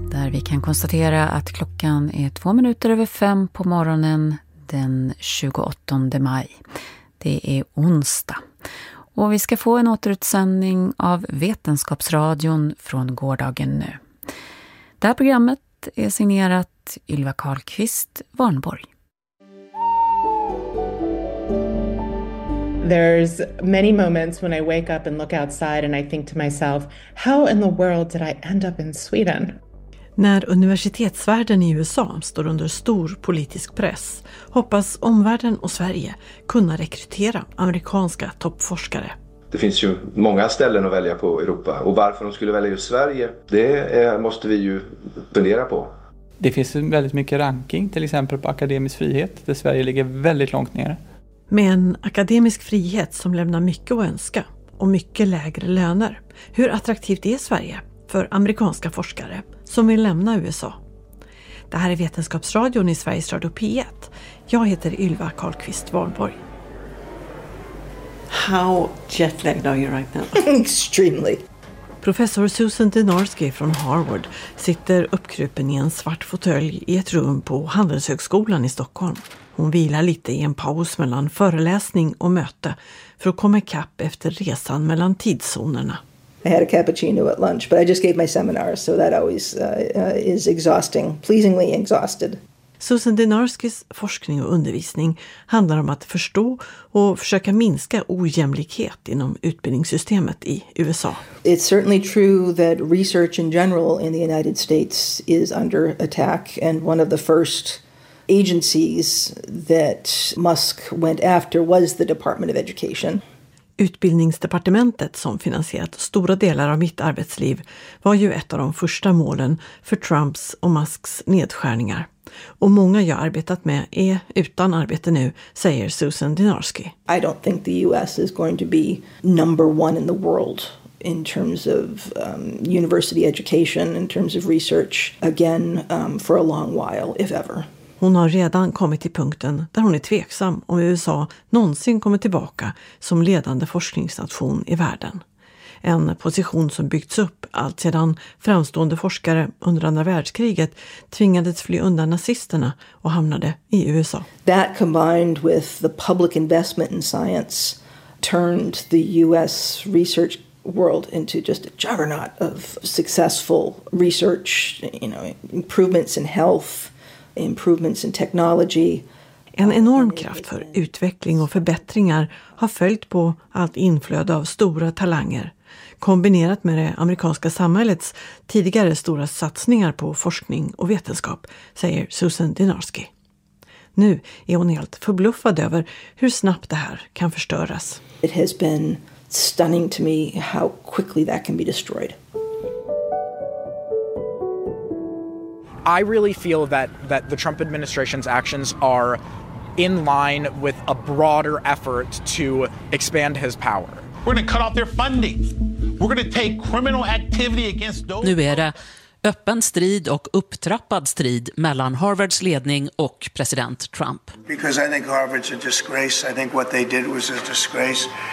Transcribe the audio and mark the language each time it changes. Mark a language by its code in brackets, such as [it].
[sv] Där vi kan konstatera att klockan är 5:02 på morgonen den 28 maj. Det är onsdag. Och vi ska få en återutsändning av Vetenskapsradion från gårdagen nu. Det här programmet är signerat Ylva Karlqvist Warnborg. [en] There's many moments when I wake up and look outside and I think to myself, how in the world did I end up in Sweden? [sv] När universitetsvärlden i USA står under stor politisk press hoppas omvärlden och Sverige kunna rekrytera amerikanska toppforskare. Det finns ju många ställen att välja på i Europa. Och varför de skulle välja just Sverige, det måste vi ju fundera på. Det finns väldigt mycket ranking, till exempel på akademisk frihet, där Sverige ligger väldigt långt ner. Men akademisk frihet som lämnar mycket att önska och mycket lägre löner. Hur attraktivt är Sverige för amerikanska forskare som vill lämna USA? Det här är Vetenskapsradion i Sveriges Radio P1. Jag heter Ylva Karlqvist Warnborg. [en] How jet-lagged are you right now? Extremely. [sv] Professor Susan Dynarski från Harvard sitter uppkrupen i en svart fåtölj i ett rum på Handelshögskolan i Stockholm. Hon vilar lite i en paus mellan föreläsning och möte för att komma ikapp efter resan mellan tidszonerna. [en] I had a cappuccino at lunch, but I just gave my seminar, so that always is exhausting, pleasingly exhausted. [sv] Susan Dynarskis forskning och undervisning handlar om att förstå och försöka minska ojämlikhet inom utbildningssystemet i USA. [en] It's certainly true that research in general in the United States is under attack, and one of the first agencies that Musk went after was the Department of Education. [sv] Utbildningsdepartementet som finansierat stora delar av mitt arbetsliv var ju ett av de första målen för Trumps och Musks nedskärningar. Och många jag arbetat med är utan arbete nu, säger Susan Dynarski. [en] I don't think the US is going to be number one in the world in terms of university education, in terms of research again for a long while, if ever. [sv] Hon har redan kommit till punkten där hon är tveksam om USA någonsin kommer tillbaka som ledande forskningsnation i världen. En position som byggts upp allt sedan framstående forskare under andra världskriget tvingades fly undan nazisterna och hamnade i USA. [en] That combined with the public investment in science turned the US research world into just a juggernaut of successful research, you know, improvements in health, improvements in technology. [sv] En enorm kraft för utveckling och förbättringar har följt på allt inflöde av stora talanger, kombinerat med det amerikanska samhällets tidigare stora satsningar på forskning och vetenskap, säger Susan Dynarski. Nu är hon helt förbluffad över hur snabbt det här kan förstöras. [en] It has been stunning to me how quickly that can be destroyed. I really feel that the Trump administration's actions are in line with a broader effort to expand his power. We're going to cut off their funding. We're going to take criminal activity against those. [sv] Nu är det öppen strid och upptrappad strid mellan Harvards ledning och president Trump. [en] Because I think Harvard's a disgrace. I think what they did was a disgrace.